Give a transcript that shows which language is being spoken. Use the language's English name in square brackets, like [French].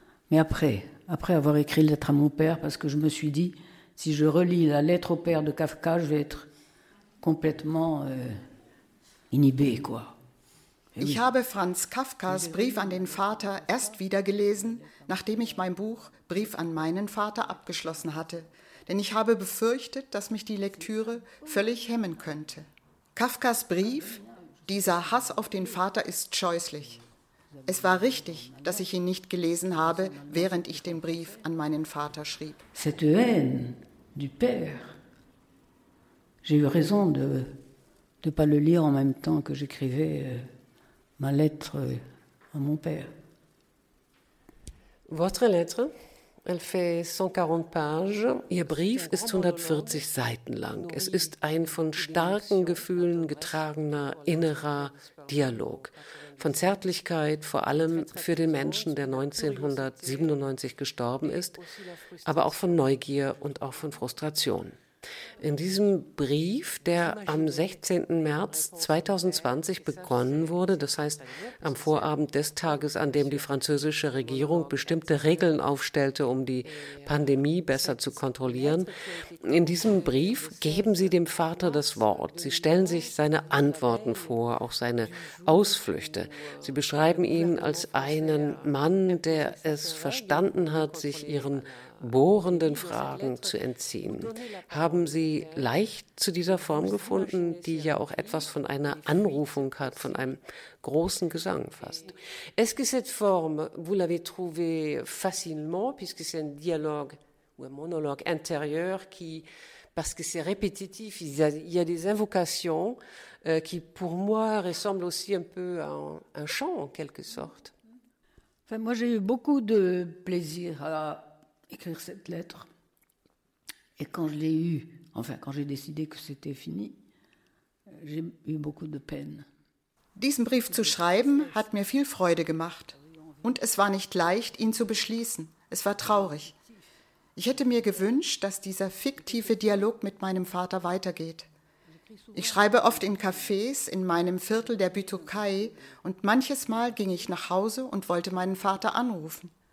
[French] Mais après avoir écrit la lettre à mon père, parce que je me suis dit, si je relis la lettre au père de Kafka, je vais être complètement inhibée, quoi. [German] Ich habe Franz Kafkas Brief an den Vater erst wieder gelesen, nachdem ich mein Buch Brief an meinen Vater abgeschlossen hatte. Denn ich habe befürchtet, dass mich die Lektüre völlig hemmen könnte. Kafkas Brief, dieser Hass auf den Vater ist scheußlich. Es war richtig, dass ich ihn nicht gelesen habe, während ich den Brief an meinen Vater schrieb. [French] Cette haine du père. J'ai eu raison de pas le lire en même temps que j'écrivais ma lettre à mon père. Votre lettre, elle fait 140 pages. [German] Ihr Brief ist 140 Seiten lang. Es ist ein von starken Gefühlen getragener innerer Dialog. Von Zärtlichkeit, vor allem für den Menschen, der 1997 gestorben ist, aber auch von Neugier und auch von Frustration. In diesem Brief, der am 16. März 2020 begonnen wurde, das heißt am Vorabend des Tages, an dem die französische Regierung bestimmte Regeln aufstellte, um die Pandemie besser zu kontrollieren, in diesem Brief geben Sie dem Vater das Wort. Sie stellen sich seine Antworten vor, auch seine Ausflüchte. Sie beschreiben ihn als einen Mann, der es verstanden hat, sich ihren bohrenden Fragen zu entziehen. Haben Sie leicht zu dieser Form gefunden, die ja auch etwas von einer Anrufung hat, von einem großen Gesang fast? [French] Est-ce que cette forme, vous l'avez trouvée facilement, puisque c'est un dialogue ou un monologue intérieur qui, parce que c'est répétitif, il y a des invocations qui, pour moi, ressemblent aussi un peu à un chant, en quelque sorte. Enfin, moi, j'ai eu beaucoup de plaisir à écrire cette lettre. Et quand je l'ai eue, enfin, quand j'ai décidé que c'était fini, j'ai eu beaucoup de peine. [German] Diesen Brief zu schreiben hat mir viel Freude gemacht. Und es war nicht leicht, ihn zu beschließen. Es war traurig. Ich hätte mir gewünscht, dass dieser fiktive Dialog mit meinem Vater weitergeht. Ich schreibe oft in Cafés in meinem Viertel der Bütokai und manches Mal ging ich nach Hause und wollte meinen Vater anrufen.